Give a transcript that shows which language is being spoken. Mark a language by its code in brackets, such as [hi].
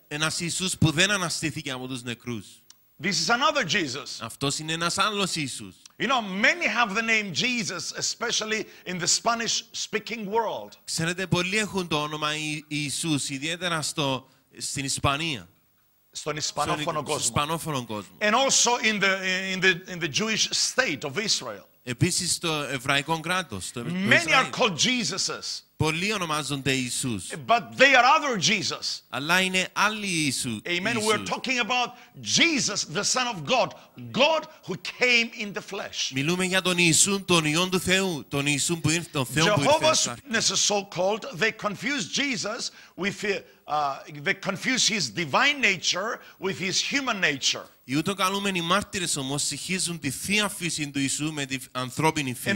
[el] Ένας Ιησούς που δεν αναστήθηκε από τους νεκρούς. [en] This is another Jesus. [el] Αυτός είναι ένας άλλος Ιησούς. [en] You know, many have the name Jesus, especially in the Spanish-speaking world. [el] Ξέρετε, πολλοί έχουν το όνομα Ιησούς, ιδιαίτερα στην Ισπανία. Στον ισπανόφωνο κόσμο. [en] And also in the Jewish state of Israel. [el] Επίσης στο εβραϊκό κράτος. [en] Many are called Jesuses. [el] Πολλοί ονομάζονται Ιησούς. [en] But they are other Jesus. [el] Αλλά είναι άλλοι Ιησούς. [en] Amen. We're talking about Jesus, the Son of God, God who came in the flesh. [el] Μιλούμε για τον Ιησού, τον Υιόν του Θεού, τον Ιησού που ήρθε, τον Θεό που ήρθε. [en] Jehovah's Witnesses, so-called, they confuse Jesus with they confuse his divine nature with his human nature. [el] Οι ουδοκαλούμενοι μάρτυρες όμως συγχύζουν τη θεία φύση του Ιησού με την ανθρώπινη φύση.